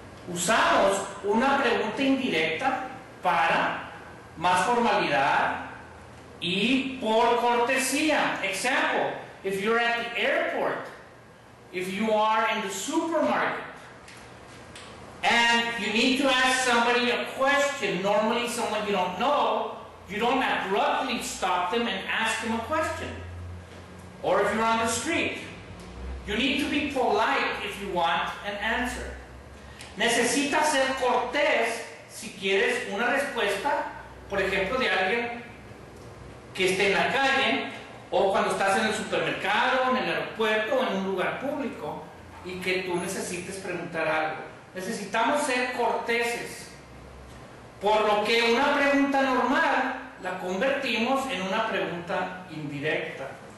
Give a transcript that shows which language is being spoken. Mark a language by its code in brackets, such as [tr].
[es] Usamos una pregunta indirecta para más formalidad y por cortesía. [en] Example, if you're at the airport, if you are in the supermarket, and you need to ask somebody a question, normally someone you don't know, you don't abruptly stop them and ask them a question. Or if you're on the street, you need to be polite if you want an answer. [es] Necesitas ser cortés si quieres una respuesta, por ejemplo, de alguien que esté en la calle, o cuando estás en el supermercado, en el aeropuerto, o en un lugar público, y que tú necesites preguntar algo. Necesitamos ser corteses. Por lo que una pregunta normal la convertimos en una pregunta indirecta.